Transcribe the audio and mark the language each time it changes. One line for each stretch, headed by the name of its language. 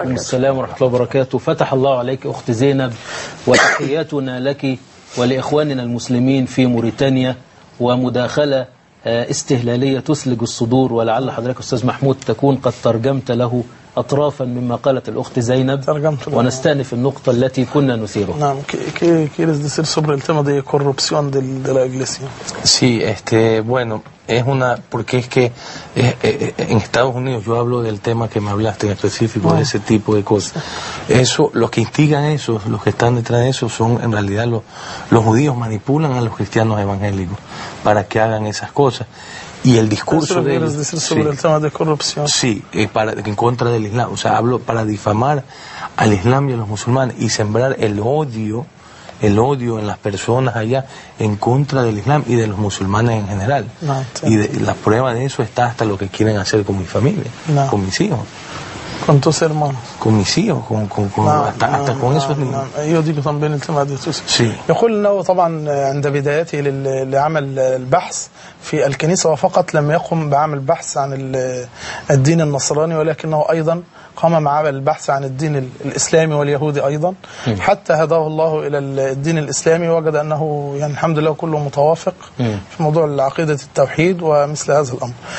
Arabic: عليكم السلام ورحمة الله وبركاته. فتح الله عليك أخت زينب, وتحياتنا لك ولإخواننا المسلمين في موريتانيا. ومداخلة استهلالية تسلق الصدور, ولعل حضرتك أستاذ محمود تكون قد ترجمت له أطرافا مما قالت الأخت زينب, ونستأنف النقطة التي كنا نثيرها. نعم, كيف يصير
Spanish: sobre el tema de corrupción de la iglesia. Sí, bueno, es una, porque es que en Estados Unidos, yo hablo del tema que me hablaste en específico, de ese tipo de cosas, eso, los que instigan eso, los que están detrás de eso, son en realidad los judíos manipulan a los cristianos evangélicos para que hagan esas cosas. Y el discurso de ellos, decir sobre el tema de corrupción. Sí, para, en contra del Islam, o sea, hablo para difamar al Islam y a los musulmanes y sembrar el odio en las personas allá en contra del Islam y de los musulmanes en general. No, y de, la prueba de eso está hasta lo que quieren hacer con mi familia, no, con mis hijos. Con tus hermanos. Con mis hijos, con esos niños. Yo digo también el tema de tus hijos. Sí.
Arabic: يقول انه طبعا عند بدايتي لعمل البحث في الكنيسة وفقط لم يقم بعمل بحث عن الدين النصراني ولكنه ايضا قام بعمل البحث عن الدين الاسلامي واليهودي ايضا حتى هداه الله الى الدين الاسلامي وجد انه يعني الحمد لله كله متوافق في موضوع العقيدة التوحيد ومثل هذا الامر.